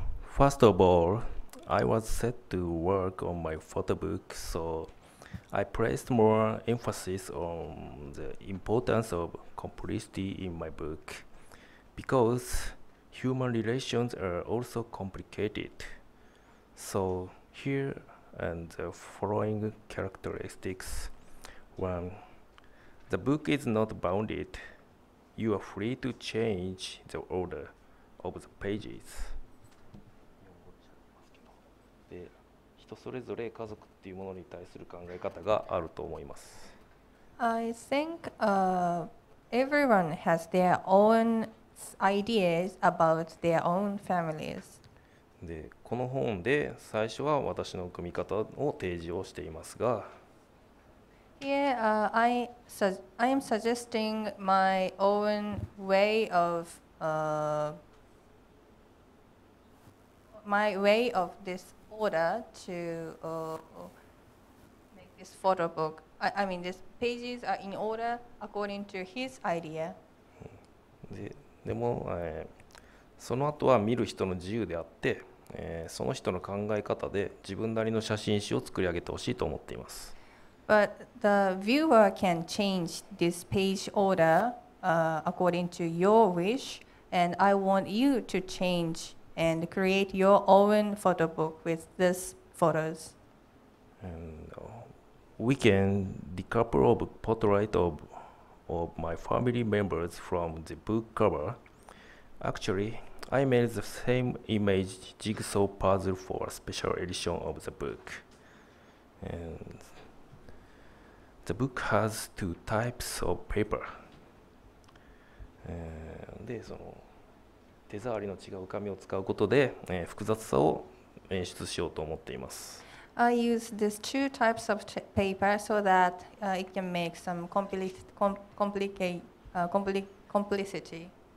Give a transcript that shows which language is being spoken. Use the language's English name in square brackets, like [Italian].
[English] First of all, I was set to work on my photo book, so I placed more emphasis on the importance of complicity in my book, because human relations are also complicated. So here and the following characteristics. One, the book is not bounded. You are free to change the order of the pages. [Japanese] で、人それぞれ家族っていうものに対する考え方があると思います。 [English] I think everyone has their own ideas about their own families. [Japanese] で、この本で最初は私の組み方を提示をしていますが、 [English] Yeah, I am suggesting my own way of my way of this order to make this photo book. I mean, these pages are in order according to his idea. [Japanese] でも、その後は見る人の自由であって、その人の考え方で自分なりの写真集を作り上げてほしいと思っています。 [English] But the viewer can change this page order according to your wish, and I want you to change and create your own photo book with these photos. And, we can decouple the portrait of my family members from the book cover. Actually, I made the same image jigsaw puzzle for a special edition of the book. And the book has two types of paper. [Japanese] で、その手触りの違う紙を使うことで、複雑さを演出しようと思っています。 [English] I use these two types of paper so that it can make some complicity.